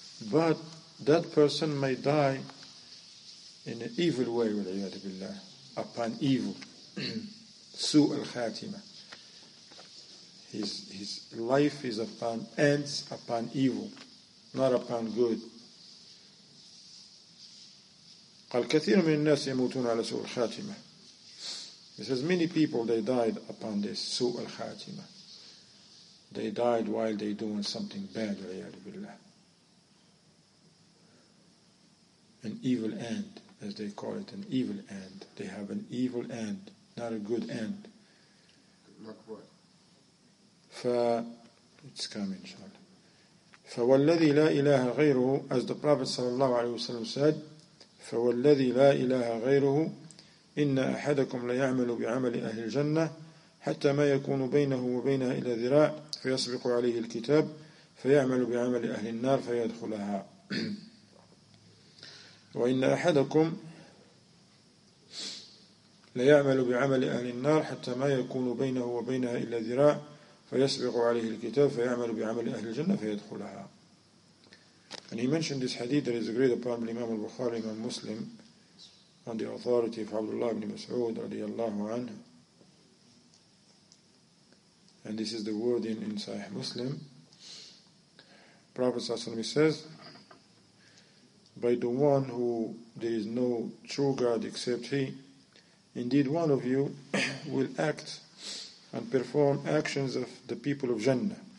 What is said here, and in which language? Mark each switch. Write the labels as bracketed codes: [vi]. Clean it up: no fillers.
[en] But that person may die in an evil way, [ar] وَالْعِيَادُ بِاللَّهِ, [en] upon evil. [ar] سُوءِ الْخَاتِمَةِ. [en] His life is upon ends, upon evil, not upon good. [ar] الكثير من الناس يموتون على سوء الخاتمة. [en] He says many people they died upon this [ar] سوء الخاتمة. [en] They died while they doing something bad, [ar] والعياذ بالله. [en] An evil end, as they call it, an evil end. They have an evil end, not a good end. Not what? It's coming, inshallah. [ar] فوالذي لا إله غيره, [en] as the Prophet [ar] صلى الله عليه وسلم [en] said, [ar] فوالذي لا إله غيره, إن أحدكم ليعمل بعمل أهل الجنة حتى ما يكون بينه وبينها إلى ذراع فيسبق عليه الكتاب فيعمل بعمل أهل النار فيدخلها. وإن أحدكم ليعمل بعمل أهل النار حتى ما يكون بينه وبينها إلا ذراع فيسبق عليه الكتاب فيعمل بعمل أهل الجنة فيدخلها. [en] And he mentioned this hadith that is agreed upon by Imam al-Bukhari, Imam Muslim, on the authority of Abdullah ibn Mas'ud radiyallahu anhu. And this is the word in Sahih Muslim. Prophet sallallahu alayhi wa sallam says, by the one who there is no true God except He, indeed one of you will act and perform actions of the people of Jannah.